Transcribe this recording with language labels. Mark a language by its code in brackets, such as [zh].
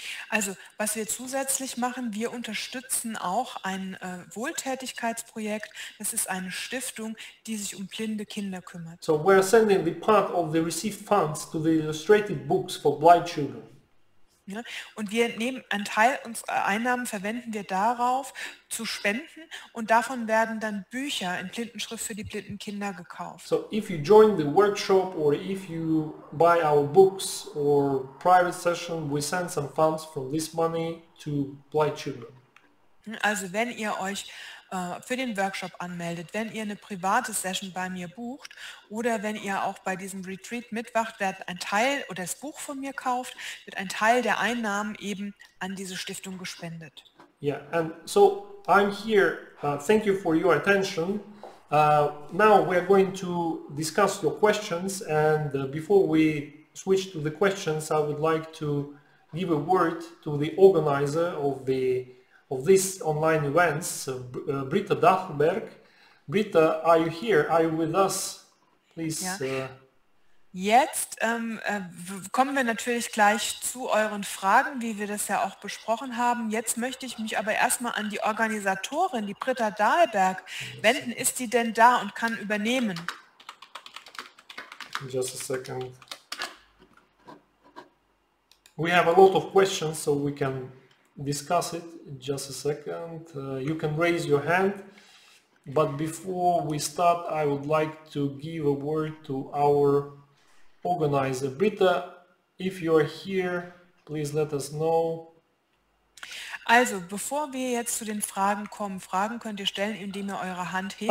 [de] Also, was wir zusätzlich machen, wir unterstützen auch ein Wohltätigkeitsprojekt. Das ist eine Stiftung, die sich um blinde Kinder kümmert. [en] So we are sending the part of the received funds to the illustrated books for blind children. [de] Ja, und wir nehmen einen Teil unserer Einnahmen, verwenden wir darauf, zu spenden, und davon werden dann Bücher in Blindenschrift für die blinden Kinder gekauft. [en] So if you join the workshop or if you buy our books or private session, we send some funds from this money to blind children. [de] Also wenn ihr euch für den Workshop anmeldet, wenn ihr eine private Session bei mir bucht oder wenn ihr auch bei diesem Retreat mitwacht, wird ein Teil oder das Buch von mir kauft, wird ein Teil der Einnahmen eben an diese Stiftung gespendet. [en] Yeah, and so I'm here. Thank you for your attention. Now we're going to discuss your questions, and before we switch to the questions, I would like to give a word to the organizer of this online events, Britta Dachlberg. Britta, are you here? Are you with us? Please. Yeah. [de] Jetzt kommen wir natürlich gleich zu euren Fragen, wie wir das ja auch besprochen haben. Jetzt möchte ich mich aber erstmal an die Organisatorin, die Britta Dahlberg, wenden. Ist die denn da und kann übernehmen? [en] Just a second. We have a lot of questions, so we can discuss it in just a second. You can raise your hand, but before we start, I would like to give a word to our organizer. Britta, if you are here, please let us know. [de] Also, bevor wir jetzt zu den Fragen kommen, Fragen könnt ihr stellen, indem ihr eure Hand hebt.